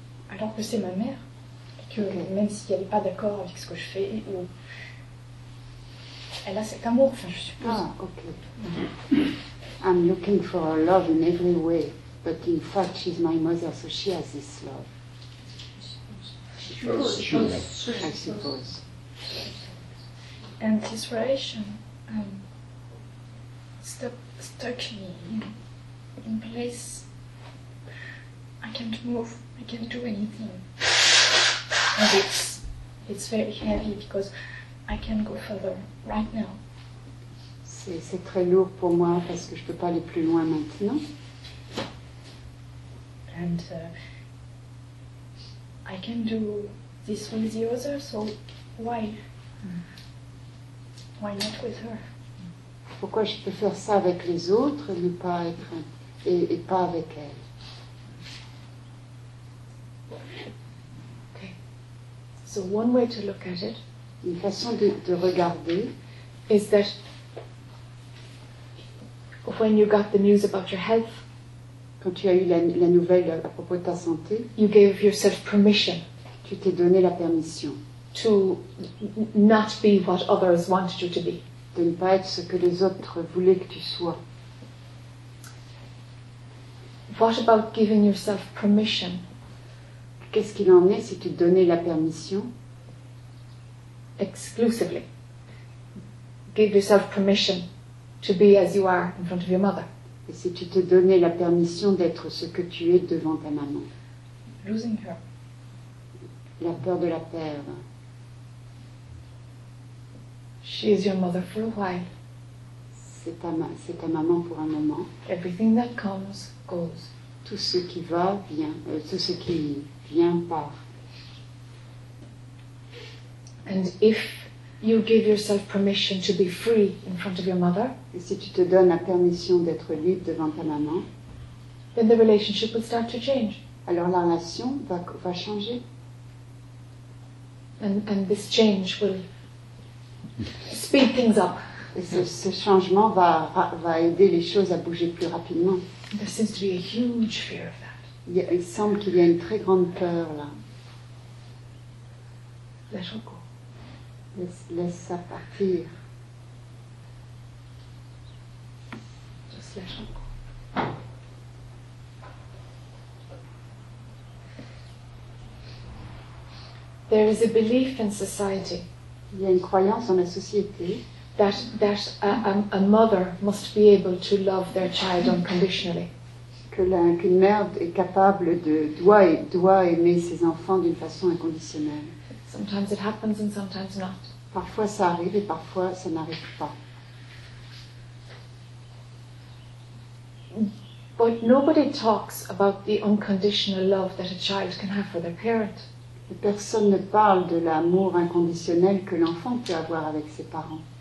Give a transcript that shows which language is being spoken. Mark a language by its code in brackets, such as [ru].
[fr] Alors que c'est ma mère, et que même si elle n'est pas d'accord avec ce que je fais, ou elle a cet amour, enfin, je suppose. Ah, ok. [en] I'm looking for her love in every way, but in fact, she's my mother, so she has this love. I suppose. And this relation stuck me in place. I can't move, I can't do anything. And it's very heavy because I can't go further right now. [fr] C'est très lourd pour moi parce que je peux pas aller plus loin maintenant. [en] And I can do this with the other, so why? Why not with her? [fr] Pourquoi je peux faire ça avec les autres ne pas être et pas avec elle? [en] Okay. So one way to look at it, [fr] une façon de regarder, [en] is that when you got the news about your health, [fr] quand tu as eu la nouvelle à propos de ta santé, [en] you gave yourself permission. [fr] Tu t'es donné la permission. [en] To not be what others wanted you to be. [fr] De ne pas être ce que les autres voulaient que tu sois. [en] What about giving yourself permission? [fr] Qu'est-ce qu'il en est si tu donnais la permission? [en] Exclusively. give yourself permission to be as you are in front of your mother. [fr] Et si tu te donnais la permission d'être ce que tu es devant ta maman. [en] Losing her. [fr] La peur de la perdre. [en] She is your mother for a while. [fr] C'est ta maman pour un moment. [en] Everything that comes goes. [fr] Tout ce qui va vient, tout ce qui vient part. [en] And if you give yourself permission to be free in front of your mother, [fr] et si tu te donnes la permission d'être libre devant ta maman, [en] then the relationship will start to change. [fr] Alors la relation va changer. [en] And this change will speed things up. [fr] Et ce changement va aider les choses à bouger plus rapidement. [en] There seems to be a huge fear of that. [fr] Il semble qu'il y a une très grande peur là. [en] Let go. [fr] Laisse ça partir. [en] Just let go. There is a belief in society. [fr] Il y a une croyance dans la société. [en] That a mother must be able to love their child unconditionally. [fr] Qu'une mère est capable doit aimer ses enfants d'une façon inconditionnelle. [en] Sometimes it happens and sometimes not. [fr] Parfois ça arrive et parfois ça n'arrive pas. [en] But nobody talks about the unconditional love that a child can have for their parent. [fr] Personne ne parle de l'amour inconditionnel que l'enfant peut avoir avec ses parents.